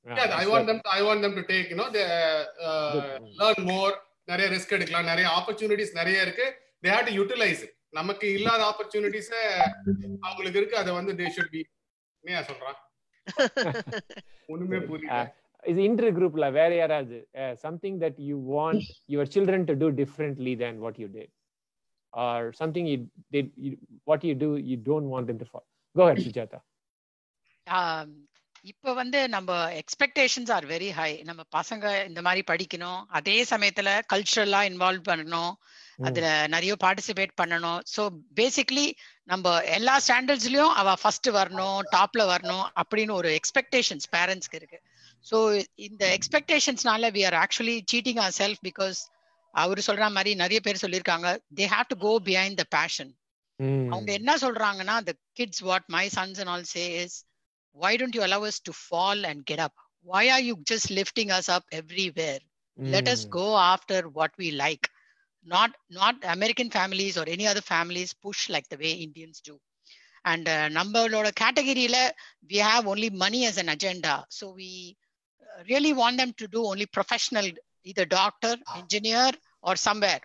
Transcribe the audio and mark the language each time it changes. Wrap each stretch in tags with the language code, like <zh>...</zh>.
<en>Yeah, I want them to take, you know, they learn more,</en> <ta>நிறைய risk எடுக்கலாம், நிறைய opportunities நிறைய இருக்கு.</ta> <en>They had to utilise it.</en> <ta>நமக்கு இல்லாத ஆப்பர்ச்சுனிட்டிஸ் அவங்களுக்கு இருக்கு, அதை வந்து</ta> <en>They should be.</en> <ta>நீயா சொல்றான் ஒண்ணுமே புரியல.</ta> <en>Is Indru group la where are you, something that you want your children to do differently than what you did, or something you did what you do you don't want them to follow? Go ahead, Sujata.</en> <ta>இப்போ வந்து நம்ம expectations are very high. நம்ம பசங்க இந்த மாதிரி படிக்கணும், அதே சமயத்தில் கல்ச்சுரலாக இன்வால்வ் பண்ணணும், அதில் நிறைய பார்ட்டிசிபேட் பண்ணணும். ஸோ பேசிக்லி நம்ம எல்லா ஸ்டாண்டர்ட்ஸ்லேயும் அவள் ஃபஸ்ட்டு வரணும், டாப்பில் வரணும் அப்படின்னு ஒரு எக்ஸ்பெக்டேஷன்ஸ் பேரண்ட்ஸ்க்கு இருக்குது. ஸோ இந்த எக்ஸ்பெக்டேஷன்ஸ்னால</ta> <en>we are actually cheating our self,</en> <ta>because அவர் சொல்கிற மாதிரி நிறைய பேர் சொல்லியிருக்காங்க,</ta> <en>They have to go behind the passion.</en> <ta>அவங்க என்ன சொல்கிறாங்கன்னா,</ta> <en>The kids what my sons and all say is, why don't you allow us to fall and get up? Why are you just lifting us up everywhere? Let us go after what we like, not American families or any other families push like the way Indians do. And</en> <ta>nammaloada category la</ta> <en>we have only money as an agenda, so we really want them to do only professional, either doctor, engineer or somewhere.</en>